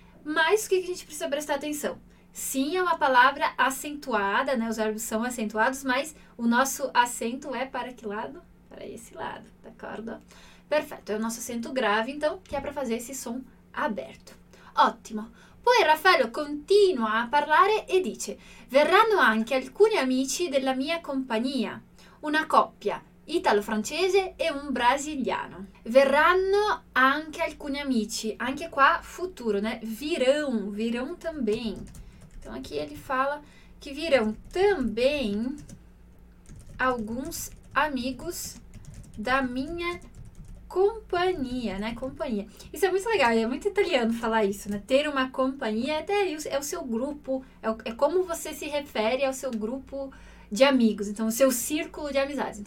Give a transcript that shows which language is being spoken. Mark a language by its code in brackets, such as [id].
[pt] Mas o que a gente precisa prestar atenção? Sim, é uma palavra acentuada, né? Os verbos são acentuados, mas o nosso acento é para que lado? Para esse lado, d'accordo? Perfeito, é o nosso acento grave, então, que é para fazer esse som aberto. [it] Ottimo. Poi Raffaello continua a parlare e dice: verranno anche alcuni amici della mia compagnia, una coppia, italo-francese e un brasiliano. Verranno anche alcuni amici, anche qua futuro, né? [pt] Virão também. Então aqui ele fala que virão também alguns amigos da minha companhia, né? Companhia. Isso é muito legal, é muito italiano falar isso, né? Ter uma companhia até é o seu grupo, é como você se refere ao seu grupo de amigos, então o seu círculo de amizades.